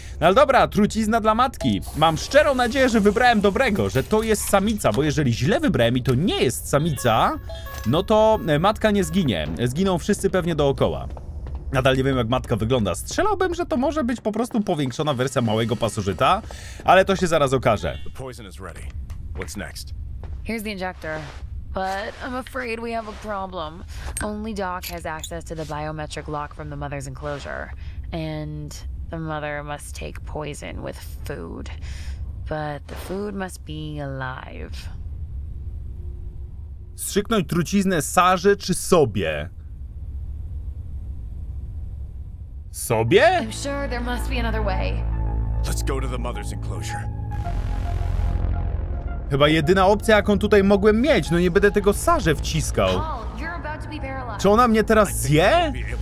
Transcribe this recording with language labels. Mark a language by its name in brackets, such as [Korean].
[Polish] No ale dobra, trucizna dla matki. Mam szczerą nadzieję, że wybrałem dobrego, że to jest samica, bo jeżeli źle wybrałem i to nie jest samica, no to matka nie zginie. Zginą wszyscy pewnie dookoła. Nadal nie wiem, jak matka wygląda. Strzelałbym, że to może być po prostu powiększona wersja małego pasożyta, ale to się zaraz okaże. [English] Poison is ready. What's next? Here's the injector. But I'm afraid we have a problem. Only Doc has access to the biometric lock from the mother's enclosure. And the mother must take poison with food. But the food must be alive. [Polish] Strzyknąć truciznę Sarze czy sobie? Sobie? [English] I'm sure there must be another way. Let's go to the mother's enclosure. [Polish] Chyba jedyna opcja, jaką tutaj mogłem mieć. No nie będę tego Sarze wciskał. [English] Paul, you're about to be paralyzed. [Polish] Czy ona mnie teraz zje?